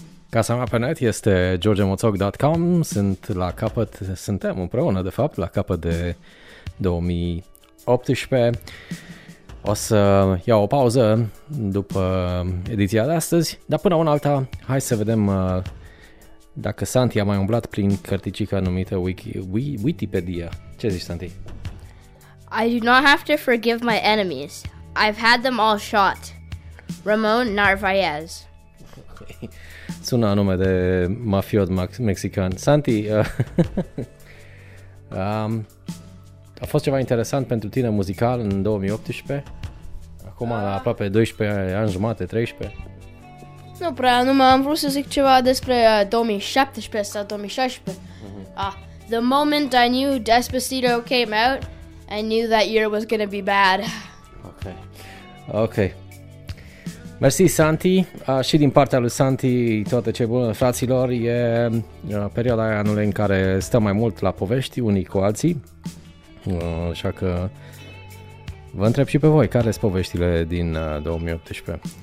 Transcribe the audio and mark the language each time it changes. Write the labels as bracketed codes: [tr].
[ro] Casa mea pe net este georgemoțoc.com. Sunt la capăt, suntem împreună, de fapt, la capăt de 2018. O să iau o pauză după ediția de astăzi, dar până una alta, hai să vedem dacă Santi a mai umblat prin cărticica numită Wikipedia. Ce zici, Santi? [en] I do not have to forgive my enemies. I've had them all shot. Ramon Narvaez. [ro] Sună a nume de mafiot mexican. Santi, a fost ceva interesant pentru tine muzical în 2018? Acum la aproape 12 ani jumate, 13? Nu prea, numai am vrut să zic ceva despre 2017 sau 2016. Mm-hmm. [en] The moment I knew Despacito came out, I knew that year was gonna be bad. [ro] Ok. Mersi, Santi. Și din partea lui Santi, toate ce bune, fraților, e perioada aia anului în care stăm mai mult la povești unii cu alții. Așa că vă întreb și pe voi, care sunt poveștile din 2018?